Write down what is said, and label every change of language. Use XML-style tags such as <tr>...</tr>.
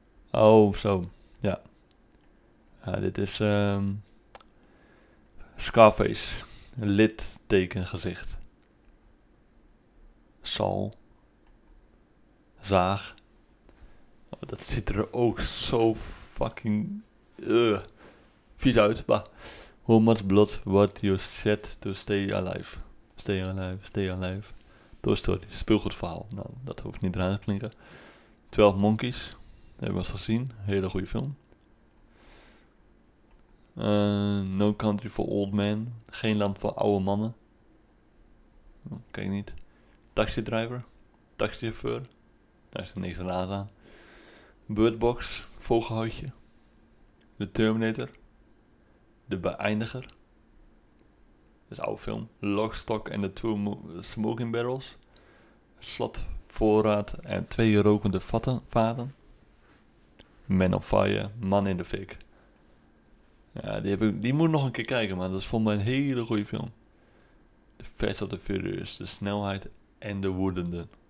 <nl>Oh, zo. Ja. Dit is Scarface. Littekengezicht. Sal. Zaag. Oh, dat ziet er ook zo fucking vies uit. Bah.</nl> <en>How much blood what you shed to stay alive? Stay alive, stay alive.</en> <nl>Toy Story. Speelgoedverhaal. Nou, dat hoeft niet eraan te klinken. 12 Monkeys. Dat hebben we eens gezien. Hele goede film. No Country for Old Men. Geen land voor oude mannen. Kijk niet. Taxi Driver. Taxi Chauffeur. Daar is er niks raad aan. Bird Box. Vogelhoutje. The Terminator. De Beëindiger. Dat is een oude film.</nl> <en>Lock, Stock and the Two Smoking Barrels.</en> <nl>Slotvoorraad en twee rokende vaten. Man on Fire, Man in the Fik. Ja, die moet nog een keer kijken, maar dat is volgens mij een hele goede film. The Fast of the Furious, de snelheid en de woedende.</nl>